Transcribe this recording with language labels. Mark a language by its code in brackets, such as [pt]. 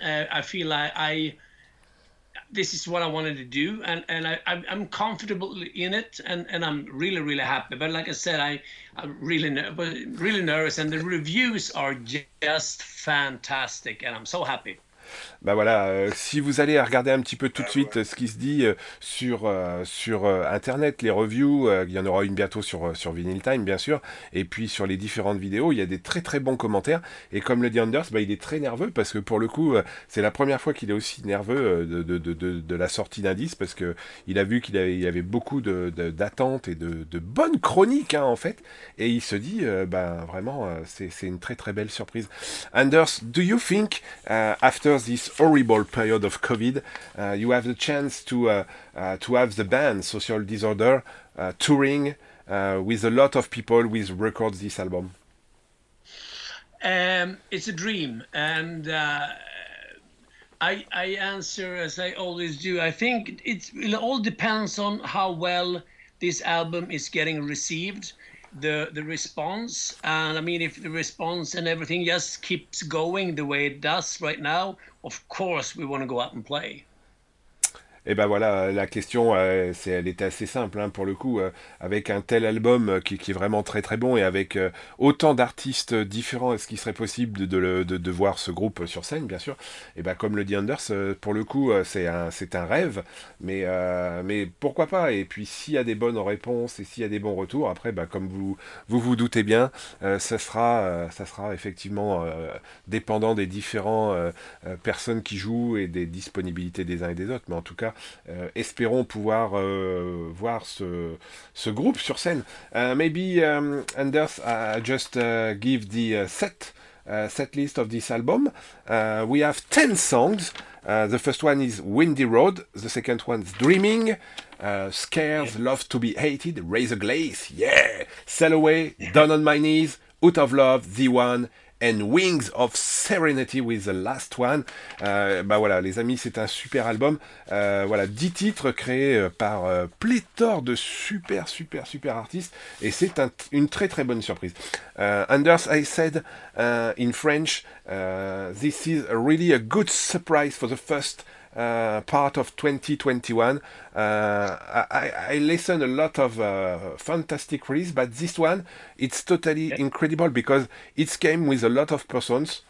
[en] I feel like this is what I wanted to do, and I'm comfortable in it, and I'm really, really happy. But like I said, I'm really really nervous, and the reviews are just fantastic, and I'm so happy. [fr] Ben voilà, si vous allez regarder un petit peu tout de suite ce qui se dit sur Internet, les reviews, il y en aura une bientôt sur Vinyl Time, bien sûr, et puis sur les différentes vidéos, il y a des très très bons commentaires, et comme le dit Anders, ben, il est très nerveux, parce que pour le coup, c'est la première fois qu'il est aussi nerveux de la sortie d'un disque, parce qu'il a vu qu'il y avait beaucoup d'attentes et de bonnes chroniques, hein, en fait, et il se dit, ben vraiment, c'est une très très belle surprise. [en] Anders, do you think, after this horrible period of COVID, you have the chance to have the band Social Disorder touring with a lot of people with records this album? It's a dream, and I answer as I always do. I think it all depends on how well this album is getting received, the response, and I mean if the response and everything just keeps going the way it does right now, of course we want to go out and play. [fr] Et ben voilà, la question, elle était assez simple, hein, pour le coup, avec un tel album qui est vraiment très très bon, et avec autant d'artistes différents, est-ce qu'il serait possible de voir ce groupe sur scène, bien sûr. Et ben comme le dit Anders, pour le coup, c'est un rêve, mais pourquoi pas. Et puis s'il y a des bonnes réponses et s'il y a des bons retours, après, ben, comme vous vous doutez bien, ça sera effectivement dépendant des différentes personnes qui jouent et des disponibilités des uns et des autres, mais en tout cas, espérons pouvoir voir ce groupe sur scène. [en] Anders, I just give the set list of this album. We have 10 songs. The first one is Windy Road. The second one is Dreaming. Scares, yeah. Love to be Hated, Razor Glaze, yeah. Sail Away, yeah. Down on My Knees, Out of Love, The One, and Wings of Serenity with the last one. [fr] Bah voilà, les amis, c'est un super album. Voilà, 10 titres créés par pléthore de super, super, super artistes. Et c'est une très, très bonne surprise. [en] Anders, I said in French, this is really a good surprise for the first part of 2021. I listen a lot of fantastic release, but this one, it's totally incredible because it came with a lot of persons.